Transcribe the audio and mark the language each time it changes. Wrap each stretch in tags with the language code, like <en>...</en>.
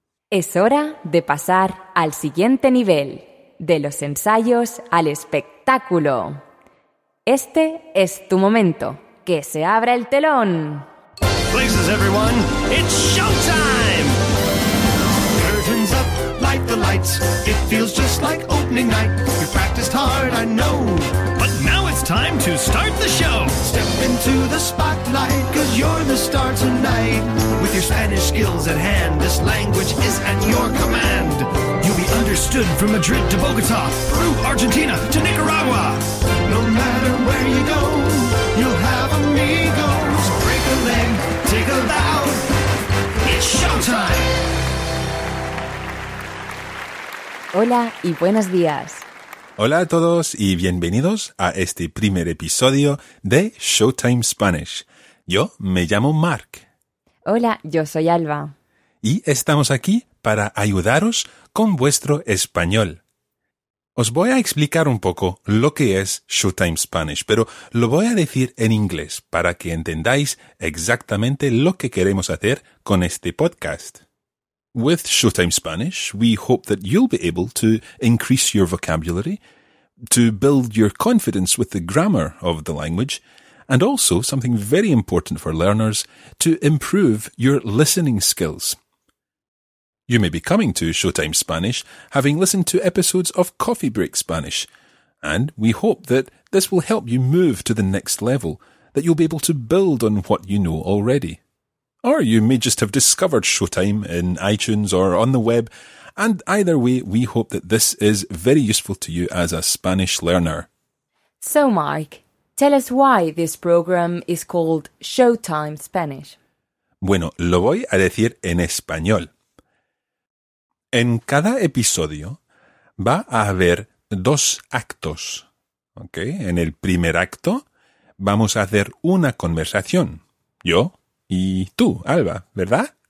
<es>Es hora de pasar al siguiente nivel, de los ensayos al espectáculo. Este es tu momento, que se abra el telón.</es> <en>Places, everyone, it's showtime! Curtains up, light the lights, it feels just like opening night. You practiced hard, I know, but now it's time to start the show. Step into the spotlight, cause you're the star tonight. With your Spanish skills at hand, this language is at your command. You'll be understood from Madrid to Bogota, through Argentina to Nicaragua. No matter where you go, you'll have amigos. Break a leg, take a bow, it's showtime.</en> <es>Hola y buenos días. Hola a todos y bienvenidos a este primer episodio de Showtime Spanish. Yo me llamo Mark. Hola, yo soy Alba. Y estamos aquí para ayudaros con vuestro español. Os voy a explicar un poco lo que es Showtime Spanish, pero lo voy a decir en inglés para que entendáis exactamente lo que queremos hacer con este podcast.</es> <en>With Showtime Spanish, we hope that you'll be able to increase your vocabulary, to build your confidence with the grammar of the language, and also, something very important for learners, to improve your listening skills. You may be coming to Showtime Spanish having listened to episodes of Coffee Break Spanish, and we hope that this will help you move to the next level, that you'll be able to build on what you know already. Or you may just have discovered Showtime in iTunes or on the web. And either way, we hope that this is very useful to you as a Spanish learner. So, Mark, tell us why this program is called Showtime Spanish.</en> <es>Bueno, lo voy a decir en español. En cada episodio va a haber dos actos. ¿Okay? En el primer acto vamos a hacer una conversación. Yo y tú, Alba, ¿verdad?</es>